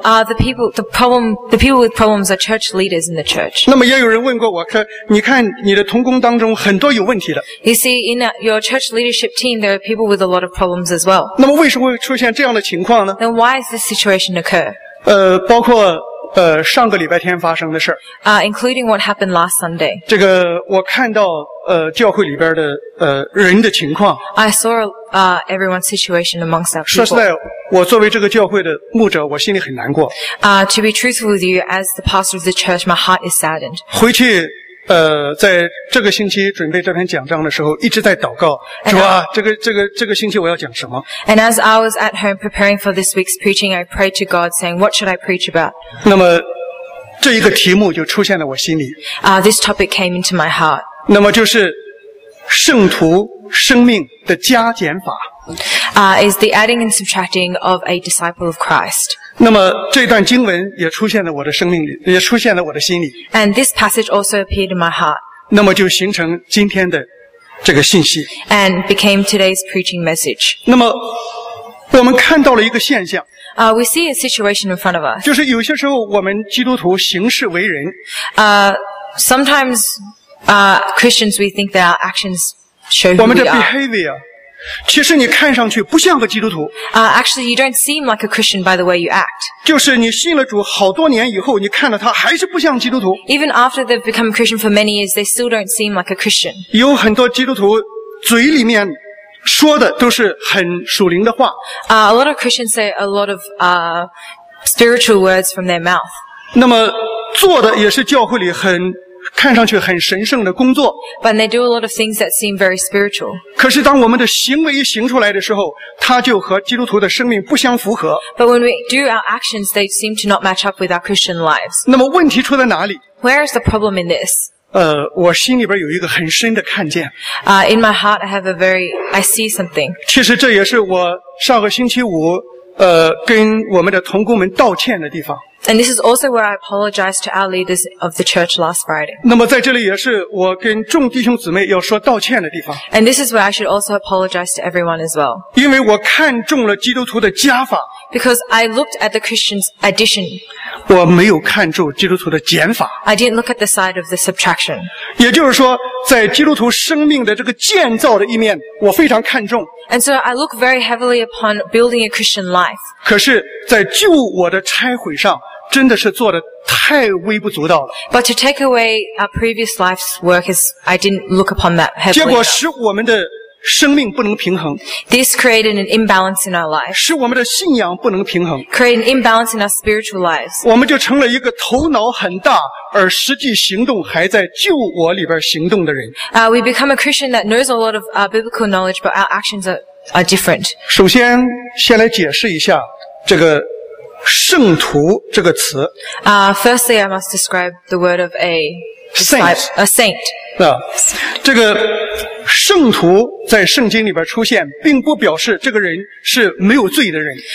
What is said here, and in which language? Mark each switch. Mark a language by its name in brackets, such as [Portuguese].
[English] The people with problems are church leaders in the church. [Chinese] 那么也有人问过我，你看你的同工当中很多有问题的。 [English] You see, in your church leadership team, there are people with a lot of problems as well. [Chinese] 那么为什么会出现这样的情况呢？ [English] Then why is this situation occur? [Chinese] 包括上个礼拜天发生的事儿。 [English] Including what happened last Sunday. [Chinese] 这个我看到教会里边的人的情况。 [English] I saw everyone's situation amongst our people. [Chinese] 说实在，我作为这个教会的牧者，我心里很难过。 [English] To be truthful with you, as the pastor of the church, my heart is saddened. [Chinese] 回去在这个星期准备这篇讲章的时候，一直在祷告，主啊，这个星期我要讲什么。 [English] And as I was at home preparing for this week's preaching, I prayed to God saying, what should I preach about? [Chinese] 那么这一个题目就出现在我心里。 [English] This topic came into my heart. [Chinese] 那么就是圣徒生命的加减法。 [English] Is the adding and subtracting of a disciple of Christ. [Chinese] 那么这段经文也出现在我的生命里，也出现在我的心里。 [English] And this passage also appeared in my heart. [Chinese] 那么就形成今天的这个信息。 [English] And became today's preaching message. [Chinese] 那么我们看到了一个现象。 [English] We see a situation in front of us. [Chinese] 就是有些时候我们基督徒行事为人。 [English] Sometimes, Christians, we think that our actions show who we are. [Chinese] 我们的 behavior. 其实你看上去不像个基督徒。 [English] Actually, you don't seem like a Christian by the way you act. [Chinese] 就是你信了主好多年以后，你看到他还是不像基督徒。 [English] Even after they've become a Christian for many years, they still don't seem like a Christian. [Chinese] 有很多基督徒嘴里面说的都是很属灵的话。 [English] A lot of Christians say a lot of spiritual words from their mouth. [Chinese] 那么做的也是教会里很看上去很神圣的工作。 [English] But they do a lot of things that seem very spiritual. [Chinese] 可是当我们的行为行出来的时候，它就和基督徒的生命不相符合。 [English] But when we do our actions, they seem to not match up with our Christian lives. [Chinese] 那么问题出在哪里？ [English] Where is the problem in this? [Chinese] 我心里边有一个很深的看见。 [English] In my heart, I see something. [Chinese] 其实这也是我上个星期五跟我们的同工们道歉的地方。 [English] And this is also where I apologized to our leaders of the church last Friday. [Chinese] 那么在这里也是我跟众弟兄姊妹要说道歉的地方。 [English] And this is where I should also apologize to everyone as well. [Chinese] 因为我看中了基督徒的加法。 [English] Because I looked at the Christian's addition. [Chinese] 我没有看住基督徒的减法。 [English] I didn't look at the side of the subtraction. [Chinese] 也就是说，在基督徒生命的这个建造的一面，我非常看重。 [English] And so I look very heavily upon building a Christian life. [Chinese] 可是，在救我的拆毁上，真的是做得太微不足道了。 [English] But to take away our previous life's work, I didn't look upon that heavily. [Chinese] 结果使我们的生命不能平衡。 [English] This created an imbalance in our life. [Chinese] 使我们的信仰不能平衡。 [English] Created an imbalance in our spiritual lives. [Chinese] 我们就成了一个头脑很大而实际行动还在旧我里边行动的人。 [English] We become a Christian that knows a lot of biblical knowledge, but our actions are different. [Chinese] 首先，先来解释一下这个圣徒这个词。 [English] Firstly, I must describe the word of a saint. A saint. [Chinese] 这个圣徒在圣经里边出现，并不表示这个人是没有罪的人。